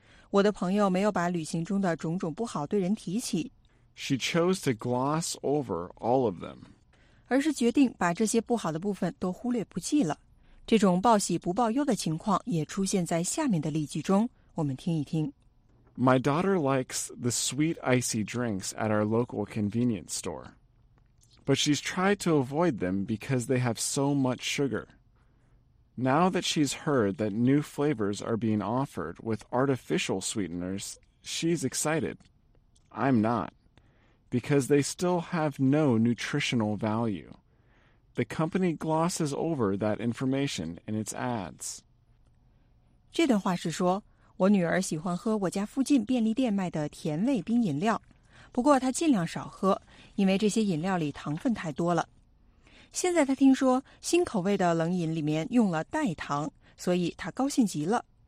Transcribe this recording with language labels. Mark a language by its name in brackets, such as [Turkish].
[Chinese] 我的朋友没有把旅行中的种种不好对人提起。 [English] She chose to gloss over all of them. [Chinese] 而是决定把这些不好的部分都忽略不计了。这种报喜不报忧的情况也出现在下面的例句中，我们听一听。 [English] My daughter likes the sweet icy drinks at our local convenience store. But she's tried to avoid them because they have so much sugar. Now that she's heard that new flavors are being offered with artificial sweeteners, she's excited. I'm not. Because they still have no nutritional value. The company glosses over that information in its ads. [Chinese] 这段话是说，我女儿喜欢喝我家附近便利店卖的甜味冰饮料，不过她尽量少喝，因为这些饮料里糖分太多了。现在她听说新口味的冷饮里面用了代糖，所以她高兴极了。